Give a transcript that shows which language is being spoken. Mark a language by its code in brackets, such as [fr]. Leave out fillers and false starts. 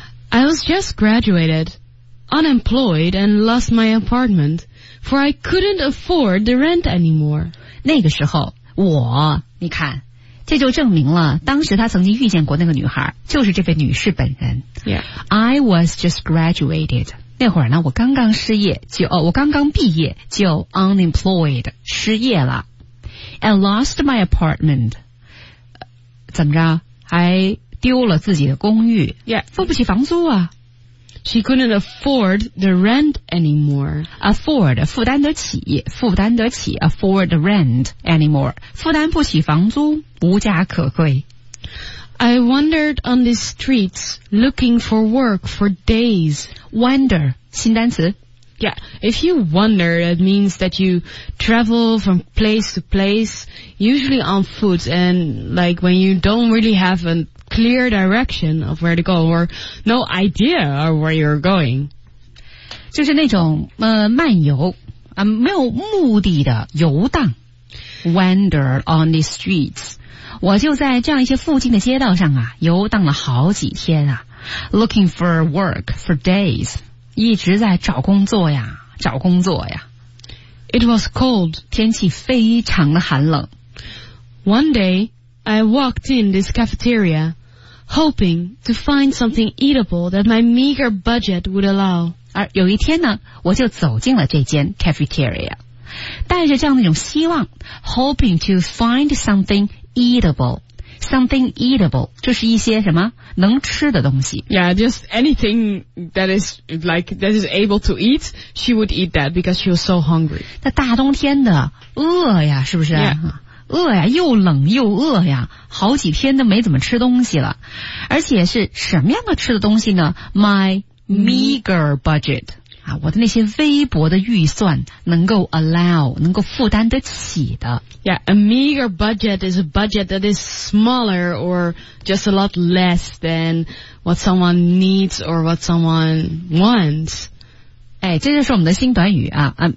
[en] I was just graduated, unemployed, and lost my apartment, for I couldn't afford the rent anymore. [zh] 那个时候，我，你看，这就证明了，当时他曾经遇见过那个女孩，就是这位女士本人。 [en] Yeah. I was just graduated. [zh] 那会儿呢，我刚刚失业，我刚刚毕业，就 [en] unemployed, [zh] 失业了。 [en] And lost my apartment. [zh] 怎么着？还丢了自己的公寓。 [en] Yeah. [zh] 付不起房租啊。 [en] She couldn't afford the rent anymore. Afford, [zh] 负担得起，负担得起 [en] afford the rent anymore. [zh] 负担不起房租，无家可归。 [en] I wandered on the streets looking for work for days. [zh] Wander, 新单词。 [en] Yeah, if you wander, it means that you travel from place to place, usually on foot, and like when you don't really have a clear direction of where to go, or no idea of where you're going. [zh] 就是那种漫游啊，没有目的的游荡。 [en] Wander on the streets. [zh] 我就在这样一些附近的街道上啊，游荡了好几天啊， [en] looking for work for days. [zh] 一直在找工作呀，找工作呀。 [en] It was cold. [zh] 天气非常的寒冷。 [en] One day, I walked in this cafeteria, hoping to find something eatable that my meager budget would allow. [zh] 而有一天呢，我就走进了这间 cafeteria, 带着这样的一种希望， [en] hoping to find something eatable. Something eatable, [zh] 就是一些什么能吃的东西。 [en] Yeah, just anything that is, like, that is able to eat, she would eat that because she was so hungry. [zh] 那大冬天的饿呀，是不是？ [en] Yeah. [zh] 饿呀，又冷又饿呀，好几天都没怎么吃东西了。而且是什么样的吃的东西呢？ [en] My meager budget. [zh] 啊，我的那些微薄的预算能够 allow, 能够负担得起的。 [en] Yeah, a meager budget is a budget that is smaller or just a lot less than what someone needs or what someone wants. [zh] 哎，这就是我们的新短语啊。